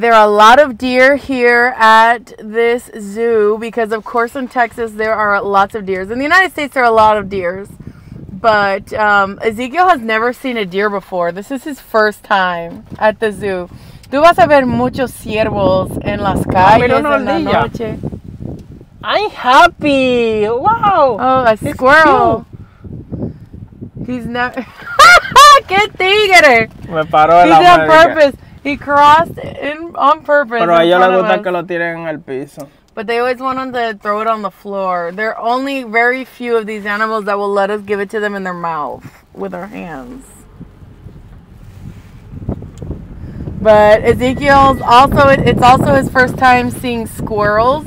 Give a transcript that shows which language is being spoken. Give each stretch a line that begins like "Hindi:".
English: There are a lot of deer here at this zoo because, of course, in Texas, there are lots of deers. In the United States, there are a lot of deers. But Ezekiel has never seen a deer before. This is his first time at the zoo.
Spanish: Tú vas a ver muchos ciervos en las calles en la noche.
English: I'm happy. Wow. Oh, a squirrel. He's never...
Spanish: ¡Qué tigre! Me paró el
English: agua. He's on purpose. He crossed in, on purpose.
Spanish: Pero a ellos les gusta que lo tiren en el piso.
English: But they always want to throw it on the floor. There are only very few of these animals that will let us give it to them in their mouth with our hands. But Ezekiel's also, it's also his first time seeing squirrels.